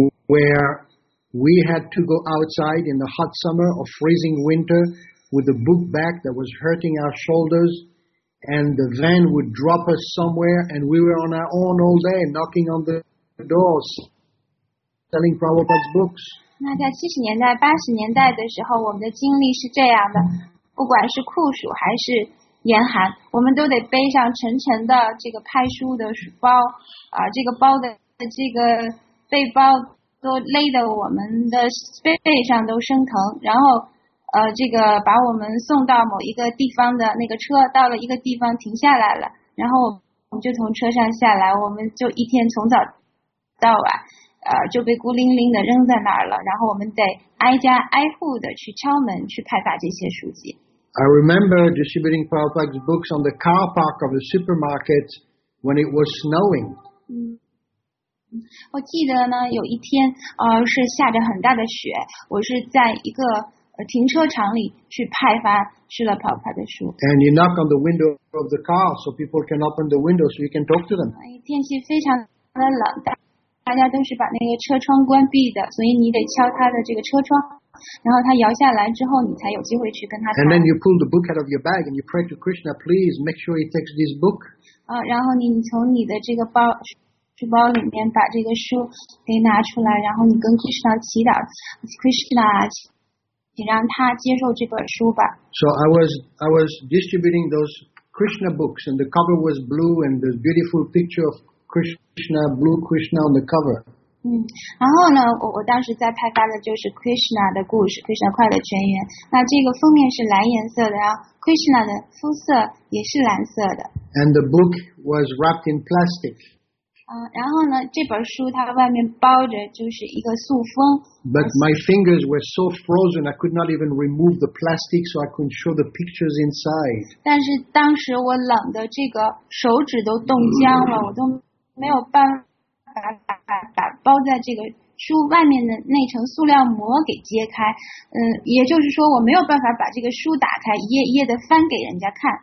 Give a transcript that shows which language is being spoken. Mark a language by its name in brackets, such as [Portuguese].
[English] Where we had to go outside in the hot summer or freezing winter with a book bag that was hurting our shoulders, and the van would drop us somewhere, and we were on our own all day, knocking on the doors, selling Prabhupada's books. [Chinese] 那在70年代、80年代的时候，我们的经历是这样的：不管是酷暑还是严寒，我们都得背上沉沉的这个派书的包，这个包的。这个背包都勒得我们的背上都生疼，然后这个把我们送到某一个地方的那个车，到了一个地方停下来了，然后我们就从车上下来，我们就一天从早到晚就被孤零零的扔在那儿了，然后我们得挨家挨户的去敲门去派发这些书籍。 [English] I remember distributing Prabhupada's books on the car park of the supermarket when it was snowing. [Chinese] 我记得呢，有一天，是下着很大的雪，我是在一个停车场里去派发施乐跑派的书。 [English] And you knock on the window of the car so people can open the window so you can talk to them. [Chinese] 天气非常的冷，大家都是把那个车窗关闭的，所以你得敲他的这个车窗，然后他摇下来之后，你才有机会去跟他谈。 [English] And then you pull the book out of your bag and you pray to Krishna, please make sure he takes this book. [Chinese] 然后你从你的这个包。书包里面把这个书给拿出来，然后你跟 Krishna 祈祷 ，Krishna， 请让他接受这本书吧。 [English] So I was distributing those Krishna books, and the cover was blue, and the beautiful picture of Krishna, blue Krishna on the cover. [Chinese] 然后呢，我当时在派发的就是 Krishna 的故事 ，Krishna 快乐全员。那这个封面是蓝颜色的，然后 Krishna 的肤色也是蓝色的。 [English] And the book was wrapped in plastic. [Chinese] 然后呢，这本书它外面包着就是一个塑封。 [English] But my fingers were so frozen, I could not even remove the plastic, so I couldn't show the pictures inside. [Chinese] 但是当时我冷的这个手指都冻僵了，我都没有办法把包在这个书外面的那层塑料膜给揭开。也就是说我没有办法把这个书打开，一页一页的翻给人家看。